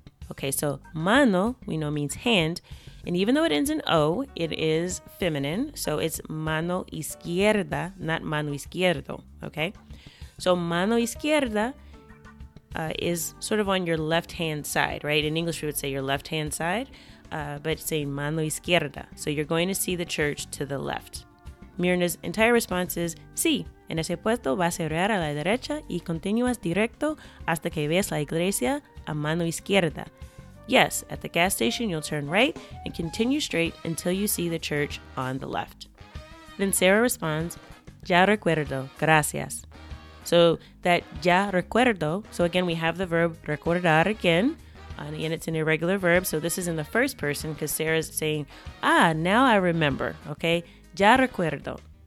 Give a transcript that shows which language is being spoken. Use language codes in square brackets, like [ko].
[en] Okay, so mano, we know means hand, and even though it ends in O, it is feminine, so it's [es] mano izquierda, [en] not [es] mano izquierdo, [en] okay? So [es] mano izquierda [en] is sort of on your left-hand side, right? In English, we would say your left-hand side, but it's saying [es] mano izquierda, [en] so you're going to see the church to the left. Mirna's entire response is, [es] sí, en ese puesto va a cerrar a la derecha y continúas directo hasta que veas la iglesia a mano izquierda. [en] Yes, at the gas station, you'll turn right and continue straight until you see the church on the left. Then Sarah responds, [es] ya recuerdo, gracias. [en] So that [es] ya recuerdo, [en] so again, we have the verb recordar again, and again, it's an irregular verb, so this is in the first person because Sarah's saying, ah, now I remember, okay? [es] Ya recuerdo.